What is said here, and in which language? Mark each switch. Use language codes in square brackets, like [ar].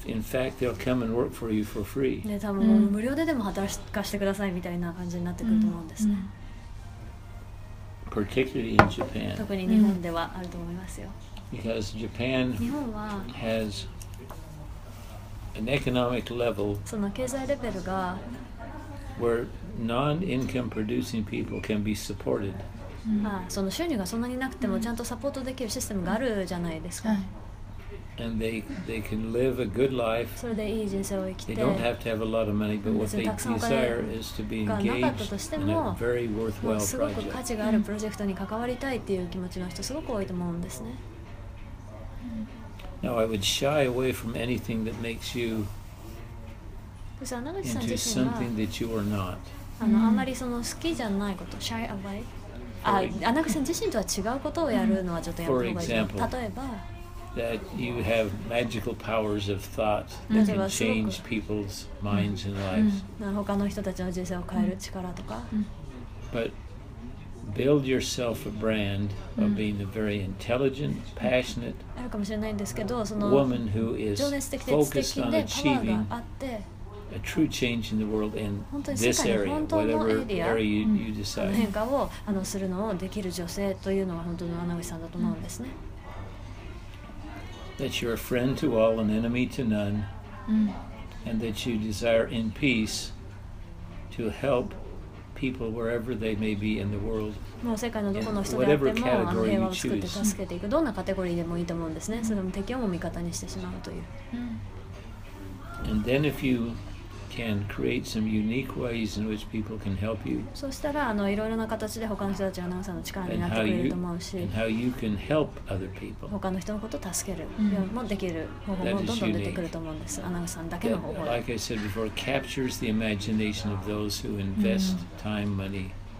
[en] in fact, they'll come and work for you for free. [ja] で、多分無料ででも働かしてくださいみたいな感じになってくると思うんですね。 [en] Particularly in Japan. [ja] 特に日本ではあると思いますよ。 [en] Because Japan has an economic level [ja] その経済レベルが [en] where non-income producing people can be supported. [ja] その収入がそんなになくてもちゃんとサポートできるシステムがあるじゃないですか。 [en] And they can live a good life. They don't have to have a lot of money, but what they desire is to be engaged in a very worthwhile project. [ja] すごく価値があるプロジェクトに関わりたいっていう気持ちの人すごく多いと思うんですね。 [en] Now I would shy away from anything that makes you into something that you are not. [ja] あんまりその好きじゃないこと、shy away。あ、穴口さん自身とは違うことをやるのはちょっとやめた方がいい。例えば。 [en] That you have magical powers of thought that can change people's minds and lives. [ja] 他の人たちの人生を変える力とか。 [en] But build yourself a brand of being a very intelligent, passionate woman who is focused on achieving a true change in the world in this area, whatever area you decide. [ja] 変化をするのをできる女性というのが本当の穴口さんだと思うんですね。 [en] That you're a friend to all and enemy to none, and that you desire in peace to help people wherever they may be in the world. [ja] もう世界のどこの人であっても平和を作って助けていく。どんなカテゴリーでもいいと思うんですね。それも敵をも味方にしてしまうという。 [en] And then if you can create some unique ways in which people can help you. [ja] そしたらいろいろな形で他の人たちアナウンサーの力になってくれると思うし。 [en] And how you can help other people. [ja] 他の人のことを助けるもできる方法もどんどん出てくると思うんです。アナウンサーだけの方法。 [en] Like I said before, captures the imagination of those who invest time, money,